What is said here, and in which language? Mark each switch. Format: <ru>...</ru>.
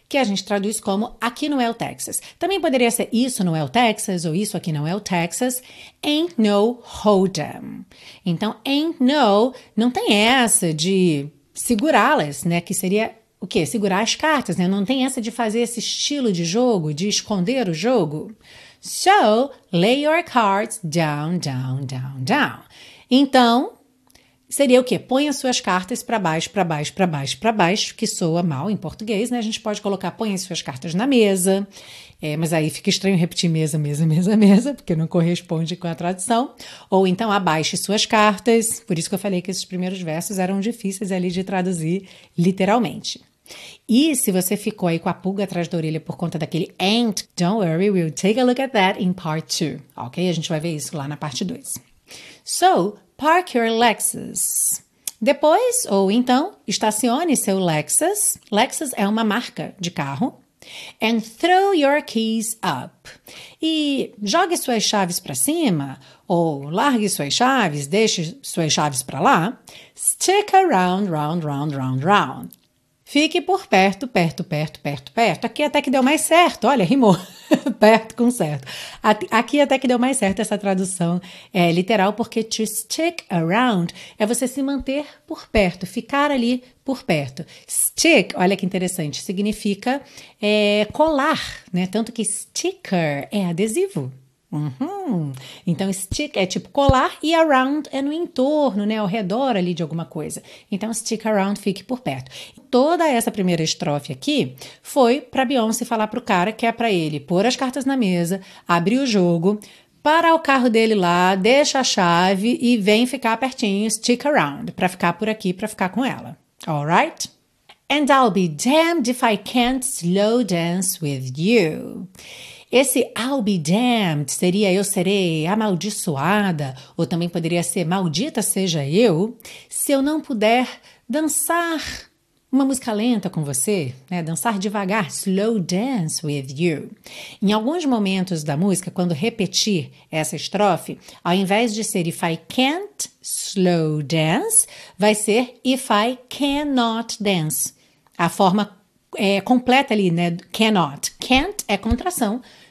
<pt>que a gente traduz como aqui não é o Texas. Também poderia ser isso não é o Texas ou isso aqui não é o Texas.</pt> <en>Ain't no hold'em.</en> <pt>Então, ain't no, não tem essa de segurá-las, né? Que seria o quê? Segurar as cartas, né? Não tem essa de fazer esse estilo de jogo, de esconder o jogo.</pt> <en>So, lay your cards down, down, down, down.</en> <pt>Então, seria o quê? Põe as suas cartas para baixo, para baixo, para baixo, para baixo, que soa mal em português, né? A gente pode colocar põe as suas cartas na mesa, mas aí fica estranho repetir mesa, mesa, mesa, mesa, porque não corresponde com a tradução. Ou então abaixe suas cartas, por isso que eu falei que esses primeiros versos eram difíceis ali de traduzir literalmente. E se você ficou aí com a pulga atrás da orelha por conta daquele ain't,</pt> <en>don't worry, we'll take a look at that in part 2,</en> <pt>ok? A gente vai ver isso lá na parte 2.</pt> <en>So, park your Lexus.</en> <pt>Depois, ou então, estacione seu Lexus. Lexus é uma marca de carro.</pt> <en>And throw your keys up.</en> <pt>E jogue suas chaves para cima, ou largue suas chaves, deixe suas chaves para lá.</pt> <en>Stick around, round, round, round, round.</en> <pt>Fique por perto, perto, perto, perto, perto. Aqui até que deu mais certo, olha, rimou. Perto com certo. Aqui até que deu mais certo essa tradução literal, porque to stick around é você se manter por perto, ficar ali por perto. Stick, olha que interessante, significa colar, né? Tanto que sticker é adesivo. Uhum. Então, stick é tipo colar e around é no entorno, né? Ao redor ali de alguma coisa. Então, stick around, fique por perto. Toda essa primeira estrofe aqui foi pra Beyoncé falar pro cara que é pra ele pôr as cartas na mesa, abrir o jogo, parar o carro dele lá, deixa a chave e vem ficar pertinho, stick around, pra ficar por aqui, pra ficar com ela.</pt> <en>Alright? And I'll be damned if I can't slow dance with you.</en> <pt>Esse I'll be damned seria eu serei amaldiçoada, ou também poderia ser maldita seja eu, se eu não puder dançar uma música lenta com você, né? Dançar devagar,</pt> <en>slow dance with you.</en> <pt>Em alguns momentos da música, quando repetir essa estrofe, ao invés de ser</pt> <en>if I can't slow dance,</en> <pt>vai ser</pt> <en>if I cannot dance.</en> <pt>A forma completa ali, né? Cannot. Can't é contração.</pt>